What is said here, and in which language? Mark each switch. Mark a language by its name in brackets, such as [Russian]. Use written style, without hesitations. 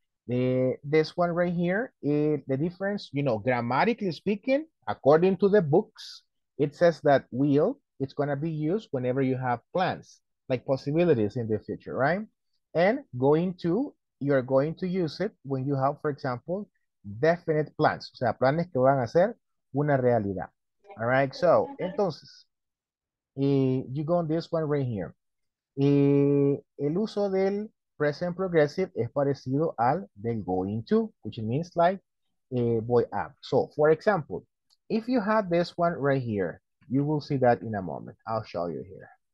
[English] This one right here, the difference, you know, grammatically speaking, according to the books, it says that will, it's going to be used whenever you have plans, like possibilities in the future, right? And going to, you're going to use it when you have, for example, definite plans. [Spanish] O sea, planes que van a ser una realidad. [English] All right, so, entonces, you go on this one right here. [Spanish] El uso del present progressive es parecido al del going to, [English] which means like [Spanish] voy a. [English] So, for example, if you have this one right here, you will see that in a moment. I'll show you here.